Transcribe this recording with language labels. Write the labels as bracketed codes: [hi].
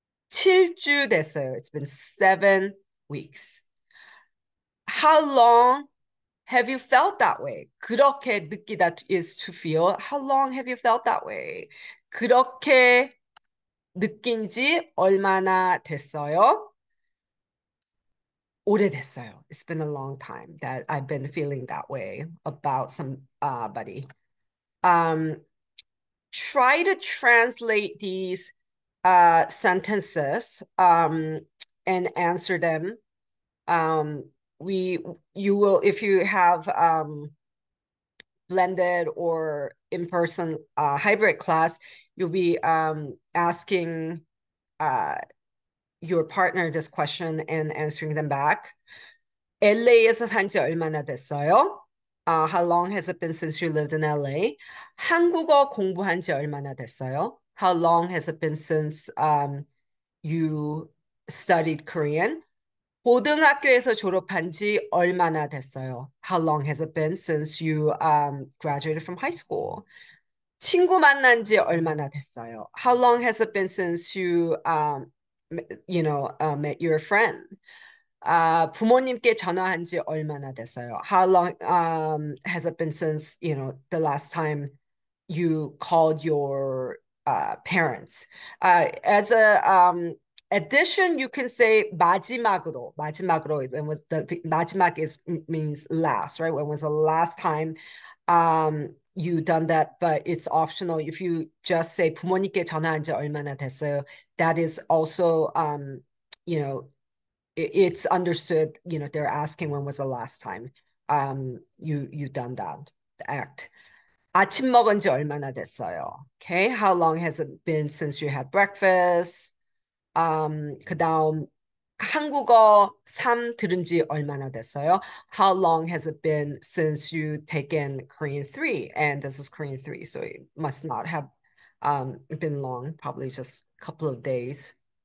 [ko] 7주 됐어요. [en] It's been 7 weeks. How long have you felt that way? [ko] 그렇게 느끼다 [en] is to feel. How long have you felt that way? [ko] 그렇게 느낀 지 얼마나 됐어요? 오래됐어요. [en] It's been a long time that I've been feeling that way about somebody. Try to translate these sentences and answer them. You will, if you have blended or in-person hybrid class, you'll be asking your partner this question and answering them back. [ko] LA에서 산지 얼마나 됐어요? [en] How long has it been since you lived in LA? [ko] 한국어 공부한 지 얼마나 됐어요? [en] How long has it been since you studied Korean? [ko] 고등학교에서 졸업한 지 얼마나 됐어요? [en] How long has it been since you graduated from high school? [ko] 친구 만난 지 얼마나 됐어요? [en] How long has it been since met your friend? [ko] 부모님께 전화한 지 얼마나 됐어요? [en] How long has it been since the last time you called your parents? As a addition, you can say 마지막으로. 마지막으로, when was the 마지막 is means last, right? When was the last time you done that? But it's optional. If you just say [ko] 부모님께 전화한 지 얼마나 됐어요, [en] that is also it's understood, they're asking when was the last time you done that act. [ko] 아침 먹은 지 얼마나 됐어요? [en] Okay, how long has it been since you had breakfast? [ko] 그다음 한국어 3 들은 지 얼마나 됐어요? [en] How long has it been since you taken Korean 3? And this is Korean 3, so it must not have been long, probably just a couple of days.